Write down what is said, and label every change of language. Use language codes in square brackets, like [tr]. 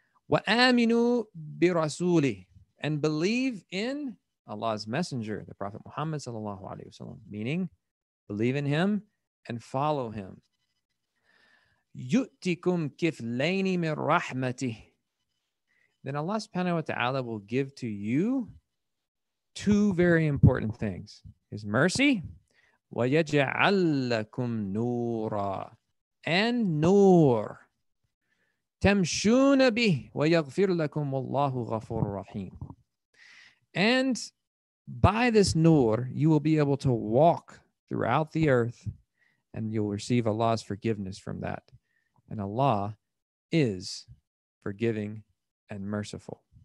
[ar] وَآمِنُوا بِرَسُولِهِ [en] and believe in Allah's messenger, the Prophet Muhammad sallallahu alayhi wa sallam, meaning believe in him and follow him. [ar] يُؤْتِكُمْ كِفْلَيْنِ مِنْ رَحْمَتِهِ [en] then Allah subhanahu wa ta'ala will give to you two very important things. His mercy, [ar] وَيَجْعَلْ لَكُمْ نُورًا [en] and نور. [ar] تَمْشُونَ بِهِ وَيَغْفِرْ لَكُمْ وَاللَّهُ غَفُورٌ رَحِيمٌ [en] and by this nur, you will be able to walk throughout the earth and you'll receive Allah's forgiveness from that. And Allah is forgiving and merciful.